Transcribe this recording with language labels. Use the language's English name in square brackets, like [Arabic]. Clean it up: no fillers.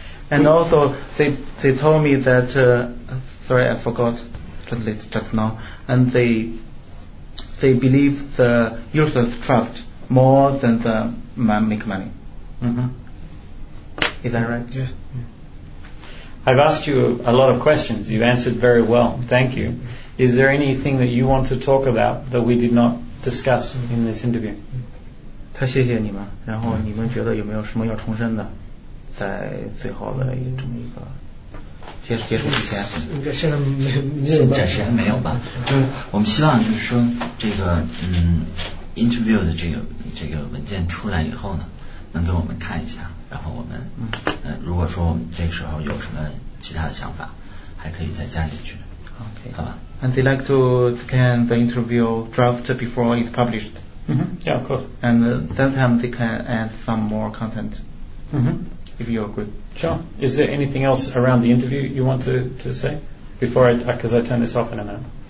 [English] And also they told me that sorry, I forgot just now, and they believe the users trust more than the make money. Is that right? Yeah. I've asked you a lot of questions. You've answered very well. Thank you. Is there anything that you want to talk about that we did not discuss in this interview? [Chinese] 他谢谢你们，然后你们觉得有没有什么要重申的，在最后的一这么一个结束之前？应该现在没有吧？暂时还没有吧？我们希望就是说这个interview 的这个文件出来以后呢，能给我们看一下。然后我们如果说我们这个时候有什么其他的想法，还可以再加进去。 [English] Okay. [Chinese] 好吧。 [English] And they like to scan the interview draft before it's published. Yeah, of course. And that time they can add some more content. If you agree. Sure. Is there anything else around the interview you want to say before I turn this off in a minute?